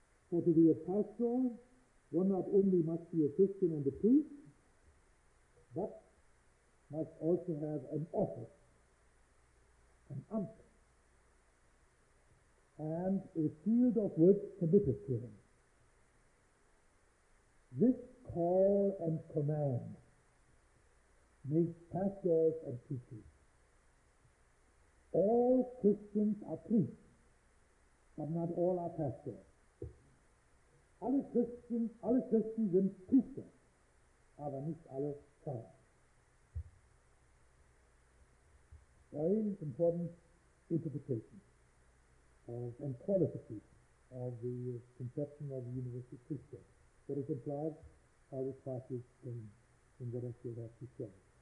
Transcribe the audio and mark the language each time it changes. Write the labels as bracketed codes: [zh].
[en] For to be a pastor, one not only must be a Christian and a priest, but must also have an office, an amt, and a field of work committed to him. This call and command makes pastors and teachers. All Christians are priests, but not all are pastors. [de] Alle Christen sind Priester, aber nicht alle Pfarrer. [en] Very important interpretation of and qualification of the conception of the universal priesthood. What is implied by this passage in what I still have to say.